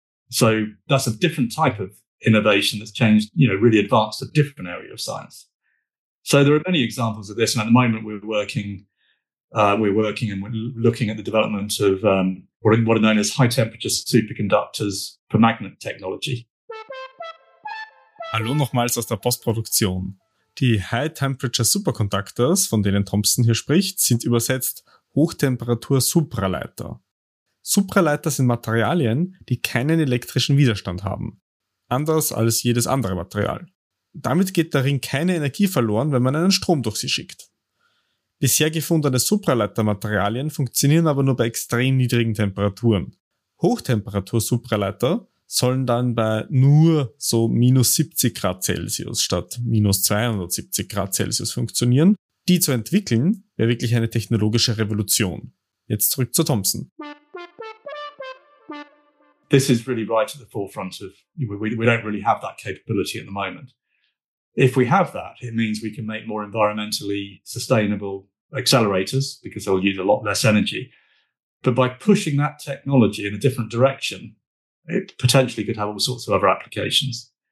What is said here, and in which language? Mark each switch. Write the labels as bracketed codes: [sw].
[en] So that's a different type of innovation that's changed, you know, really advanced a different area of science. So there are many examples of this. And at the moment, we're looking at the development of what are known as high temperature superconductors for magnet technology. [de] Hallo nochmals aus der Postproduktion. Die High Temperature Superconductors, von denen Thompson hier spricht, sind übersetzt Hochtemperatur Supraleiter. Supraleiter sind Materialien, die keinen elektrischen Widerstand haben. Anders als jedes andere Material. Damit geht darin keine Energie verloren, wenn man einen Strom durch sie schickt. Bisher gefundene Supraleitermaterialien funktionieren aber nur bei extrem niedrigen Temperaturen. Hochtemperatur-Supraleiter sollen dann bei nur so minus 70 Grad Celsius statt minus 270 Grad Celsius funktionieren. Die zu entwickeln, wäre wirklich eine technologische Revolution. Jetzt zurück zu Thompson. [en] This is really right at the forefront of, we don't really have that capability at the moment. If we have that, it means we can make more environmentally sustainable accelerators because they'll use a lot less energy. But by pushing that technology in a different direction, it potentially could have all sorts of other applications.